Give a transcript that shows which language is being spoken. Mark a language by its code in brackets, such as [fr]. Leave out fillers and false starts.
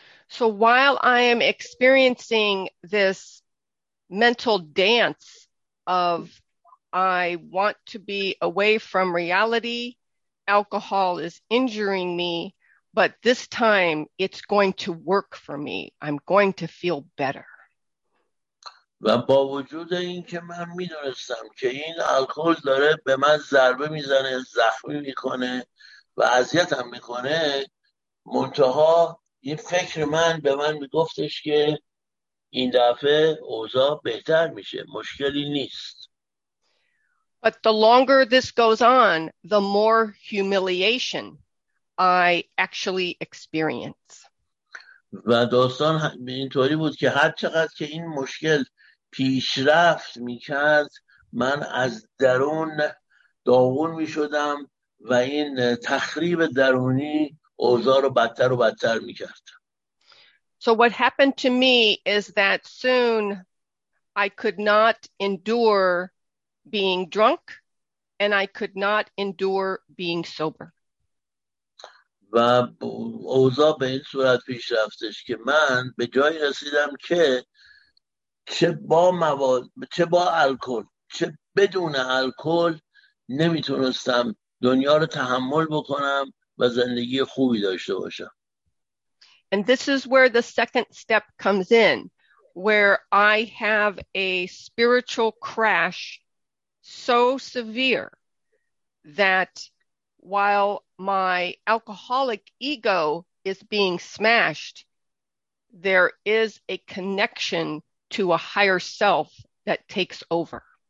[en] So while I am experiencing this mental dance of I want to be away from reality, alcohol is injuring me, but this time it's going to work for me. I'm going to feel better. [fa] و با وجود این که من میدونستم که این الکل داره به من ضربه میزنه، زخمی میکنه و اذیتم میکنه، منتها این فکر من به من میگفتش که این دفعه اوضاع بهتر میشه، مشکلی نیست. [en] But the longer this goes on, the more humiliation I actually experience. [fa] و داستان اینطوری بود که هر چقدر که این مشکل پیشرفت میکرد، من از درون داغون میشدم و این تخریب درونی اوضاع رو بدتر و بدتر میکرد. [en] So what happened to me is that soon I could not endure being drunk and I could not endure being sober. [fa] و اوضاع به این صورت پیش رفتش که من به جایی رسیدم که چه با مواد، چه با الکل، چه بدون الکل نمیتونستم دنیا رو تحمل بکنم و زندگی خوبی داشته باشم. [en] And this is where the second step comes in, where I have a spiritual crash so severe that while my alcoholic ego is being smashed, there is a connection to a higher self that takes over.